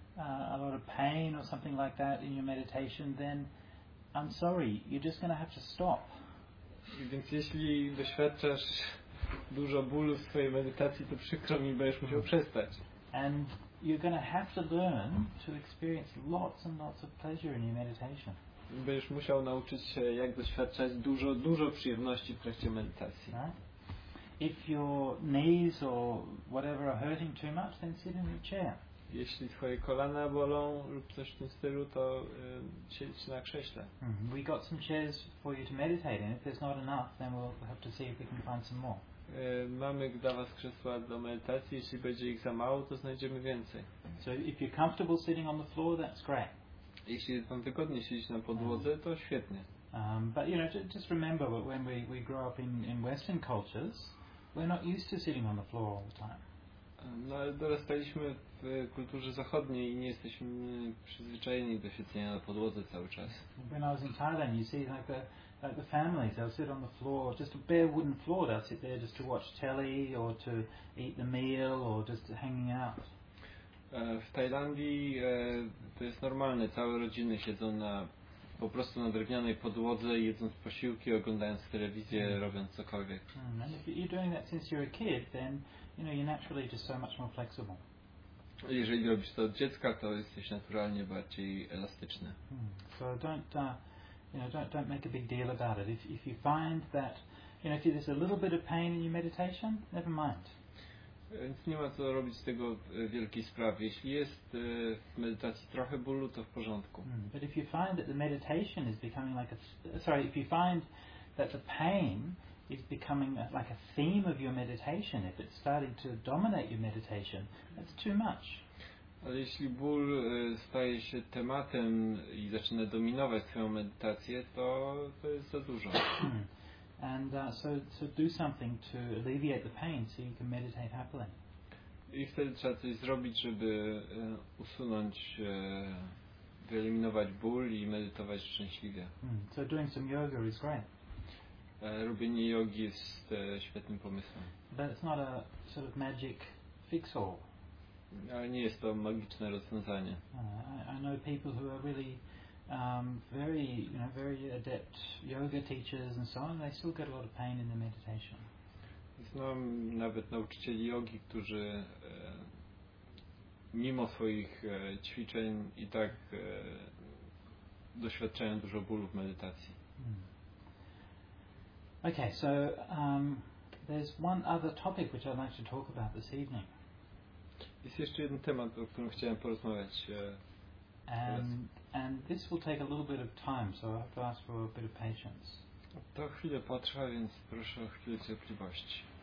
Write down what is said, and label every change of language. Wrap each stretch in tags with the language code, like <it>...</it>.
<en>a lot of pain or something like that in your meditation, then I'm sorry, you're just going to have to stop.</en> <pl>Więc jeśli doświadczasz dużo bólu w swojej medytacji, to przykro mi, będziesz musiał przestać.</pl> <en>And you're going to have to learn to experience lots and lots of pleasure in your meditation.</en> <pl>Będziesz musiał nauczyć się, jak doświadczać dużo, dużo przyjemności w trakcie medytacji.</pl> <en>If your knees or whatever are hurting too much, then sit in your chair.</en> <pl>Jeśli twoje kolana bolą lub coś w tym stylu, to siedź na krześle.</pl> <en>We got some chairs for you to meditate in. If there's not enough, then we'll have to see if we can find some more.</en> <pl>Mamy dla was krzesła do medytacji. Jeśli będzie ich za mało, to znajdziemy więcej.</pl> <en>So if you're comfortable sitting on the floor, that's great.</en> <pl>Jeśli wam wygodnie siedzieć na podłodze, to świetnie.</pl> <en>But you know, just remember that when we grow up in Western cultures, we're not used to sitting on the floor all the time.</en> <pl>No, dorastaliśmy w kulturze zachodniej i nie jesteśmy przyzwyczajeni do siedzenia na podłodze cały czas.</pl> <en>When I was in Thailand, you see like the families, they'll sit on the floor, just a bare wooden floor, they'll sit there just to watch telly or to eat the meal or just hanging out.</en> <pl>W Tajlandii to jest normalne, całe rodziny siedzą na po prostu na drewnianej podłodze, jedząc posiłki, oglądając telewizję, robiąc cokolwiek.</pl> <en>And if you're doing that since you're a kid, then you know you're naturally just so much more flexible.</en> <pl>Jeżeli robisz to od dziecka, to jesteś naturalnie bardziej elastyczny.</pl> <en>So don't make a big deal about it. If you find that, you know, if there's a little bit of pain in your meditation, never mind.</en> <pl>Więc nie ma co robić z tego wielkiej sprawy. Jeśli jest w medytacji trochę bólu, to w porządku.</pl> <en>But if you find that the meditation is becoming like a, sorry, if you find that the pain is becoming like a theme of your meditation, if it's starting to dominate your meditation, that's too much.</en> <pl>Ale jeśli ból staje się tematem i zaczyna dominować twoją medytację, to jest za dużo.</pl> <en>And so do something to alleviate the pain so you can meditate happily.</en> <pl>I wtedy trzeba coś zrobić, żeby usunąć, wyeliminować ból i medytować szczęśliwie.</pl> <en>So doing some yoga is great.</en> <pl>Robienie jogi jest świetnym pomysłem.</pl> <en>But it's not a sort of magic fix-all.</en> <pl>Ale nie jest to magiczne rozwiązanie.</pl> <en>I know people who are really very, you know, very adept yoga teachers and so on, they still get a lot of pain in the meditation.</en> <pl>Znam nawet nauczycieli jogi, którzy mimo swoich ćwiczeń i tak doświadczają dużo bólu w medytacji.</pl> <en>Okay, so there's one other topic which I'd like to talk about this evening.</en> <pl>Jest jeszcze jeden temat, o którym chciałem porozmawiać.</pl> <en>And this will take a little bit of time, so I have to ask for a bit of patience.</en> <pl>To chwilę potrwa, więc proszę o chwilę cierpliwości.</pl>